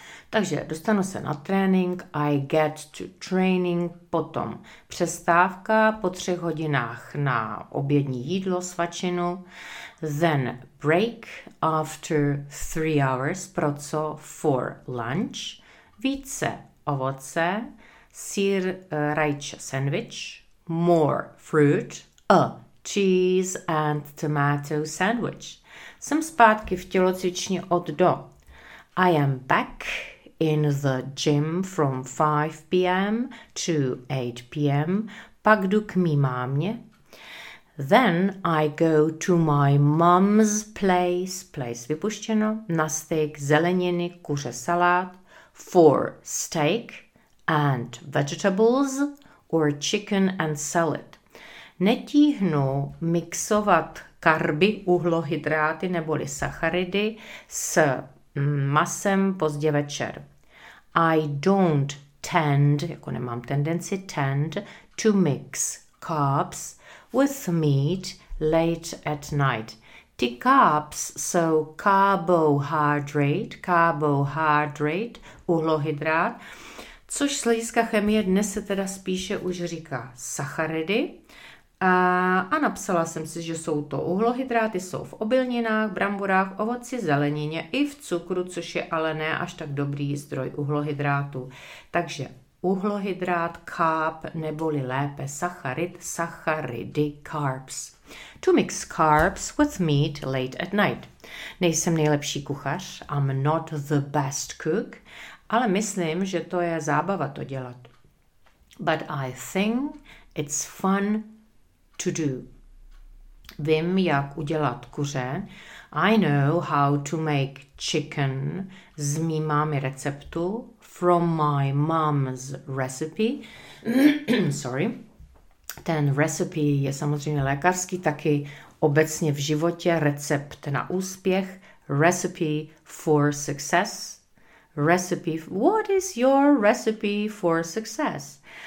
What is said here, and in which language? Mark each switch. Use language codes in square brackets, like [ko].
[cs] Takže dostanu se na trénink, [en] I get to training, [cs] potom přestávka po 3 hodinách na obědní jídlo, svačinu, [en] then break after 3 hours, [cs] pro co? [en] For lunch, [cs] více ovoce, sýr, rajče, [en] sandwich, more fruit, a cheese and tomato sandwich. [cs] Jsem zpátky v tělocvičně od do. [en] I am back in the gym from 5 p.m. to 8 p.m. [cs] Pak jdu k mý mámě. [en] Then I go to my mom's place. [cs] Place vypuštěno. Na steak zeleniny, kuře, salát. [en] For steak and vegetables or chicken and salad. [cs] Netíhnu mixovat karby, uhlohydráty neboli sacharidy s masem pozdě večer. [en] I don't tend, [cs] jako nemám tendenci, [en] tend to mix carbs with meat late at night. [cs] Ty carbs jsou carbohydrate, uhlohydrát, což z hlediska chemie dnes se teda spíše už říká sacharidy. A napsala jsem si, že jsou to uhlohydráty, jsou v obilninách, bramborách, ovoci, zelenině i v cukru, což je ale ne až tak dobrý zdroj uhlohydrátu. Takže uhlohydrát, carb, neboli lépe sacharid, sacharidy, carbs. [en] To mix carbs with meat late at night. [cs] Nejsem nejlepší kuchař, [en] I'm not the best cook, [cs] ale myslím, že to je zábava to dělat. [en] But I think it's fun to do. [cs] Vím, jak udělat kuře. [en] I know how to make chicken [cs] z mý mámy receptu, [en] from my mom's recipe. Sorry. [cs] Ten recipe je samozřejmě lékařský, taky obecně v životě recept na úspěch. [en] Recipe for success. What is your recipe for success?